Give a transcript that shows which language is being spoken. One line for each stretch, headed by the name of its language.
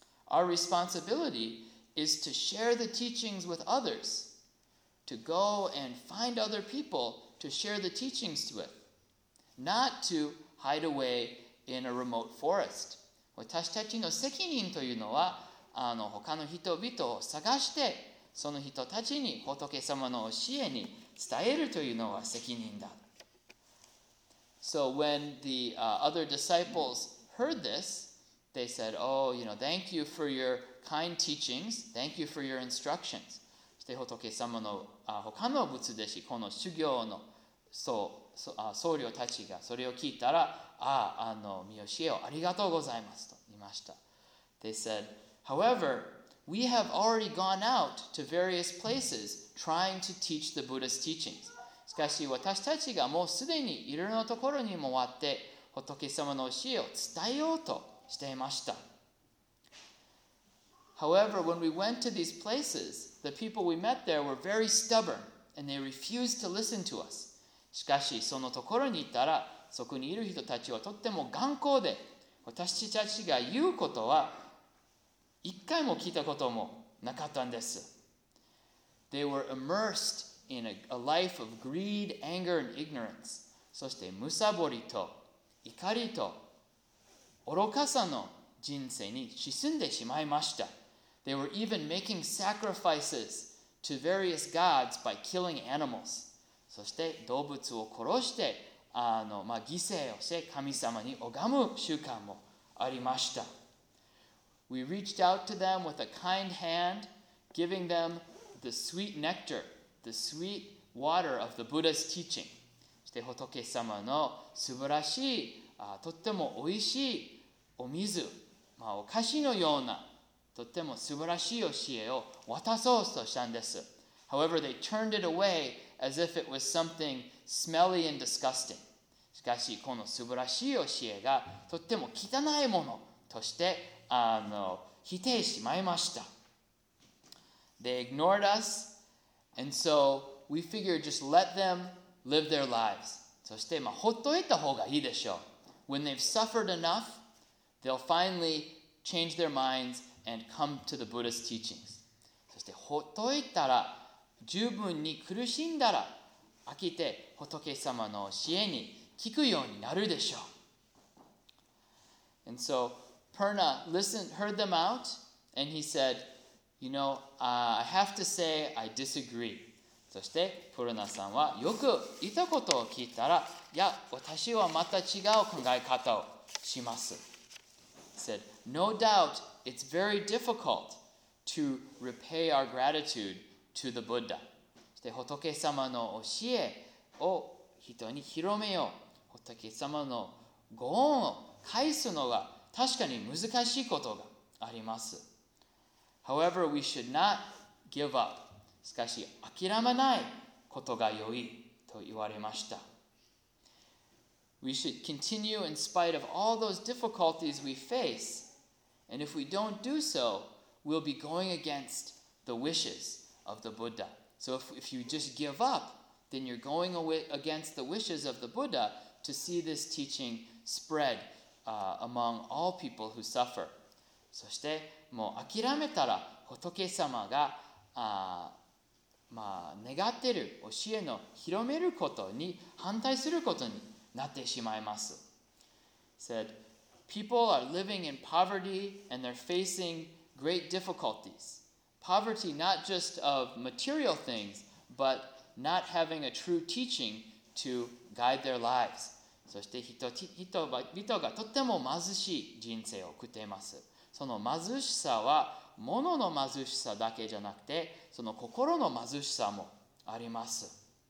English: Our responsibility is to share the teachings with others, to go and find other people to share the teachings with, not to hide away in a remote forest.
Japanese: 私たちの責任というのは、他の人々を探して、その人たちに仏様の教えに伝えるというのは責任だ。
English: So when the other disciples heard this,They said, oh, you know, thank you for your kind teachings. Thank you for your instructions.
Japanese: で、仏様の他の仏弟子、この修行の僧侶たちがそれを聞いたら、御教えをありがとうございますと言いました。
English: They said, however, we have already gone out to various places trying to teach the Buddha's teachings.
Japanese: しかし私たちがもうすでにいろいろなところに回って仏様の教えを伝えようとしていました。
English: However, when we went to these places, the people we met there were very stubborn and they refused to listen to us.
Japanese: しかしそのところに行ったら、そこにいる人たちはとっても頑固で、私たちが言うことは一回も聞いたこともなかったんです。
English: They were immersed in a life of greed, anger, and ignorance.
Japanese: そして、むさぼりと怒りと愚かさの人生に沈んでしまいました。
English: They were even making sacrifices to various gods by killing animals.
Japanese: そして動物を殺して、犠牲をして神様に拝む習慣もありました。
English: We reached out to them with a kind hand, giving them the sweet nectar, the sweet water of the Buddha's teaching.
Japanese: そして仏様の素晴らしい、とってもおいしいお水、お菓子のようなとっても素晴らしい教えを渡そうとしたんです。
English: However, they turned it away as if it was something smelly and disgusting.
Japanese: しかし、この素晴らしい教えがとっても汚いものとして否定しまいました。
English: They ignored us, and so we figured just let them live their lives.
Japanese: そして、ほっといた方がいいでしょう。
English: When they've suffered enough, they'll finally change their minds and come to the Buddha's teachings.
Japanese: そして、ほっといたら、十分に苦しんだら、飽きて仏様の教えに聞くようになるでしょう。
English: And so, Purna listened, heard them out, and he said, you know, I have to say I disagree.
Japanese: そして、プルナさんはよく言ったことを聞いたら、いや、私はまた違う考え方をします。
English: He said, no doubt, it's very difficult to repay our gratitude to the Buddha.
Japanese: そして仏様の教えを人に広めよう。仏様のご恩を返すのが確かに難しいことがあります。
English: However, we should not give up.
Japanese: しかし諦めないことが良いと言われました。
English: We should continue in spite of all those difficulties we face. And if we don't do so, we'll be going against the wishes of the Buddha. So if you just give up, then you're going away against the wishes of the Buddha to see this teaching spread among all people who suffer.
Japanese: そしてもう諦めたら仏様が願ってる教えの広めることに反対することになってしまいます。
English: Said, people are living in poverty and they're facing great difficulties. Poverty not just of material things, but not having a true teaching to guide their lives.
Japanese: そして人々がとても貧しい人生を送っています。その貧しさは物の貧しさだけじゃなくて、その心の貧しさもあります。